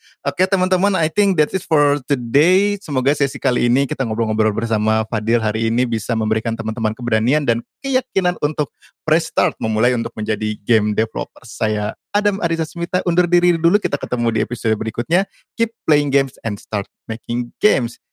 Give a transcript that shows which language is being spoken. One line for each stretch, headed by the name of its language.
Indonesian: Oke, teman-teman,
English: I think that is for today.
Indonesian: Semoga sesi kali ini kita ngobrol-ngobrol bersama Fadil hari ini bisa memberikan teman-teman keberanian dan keyakinan untuk press start, memulai untuk menjadi game developer. Saya Adam Ariza Smita undur diri dulu, kita ketemu di episode berikutnya.
English: Keep playing games and start making games.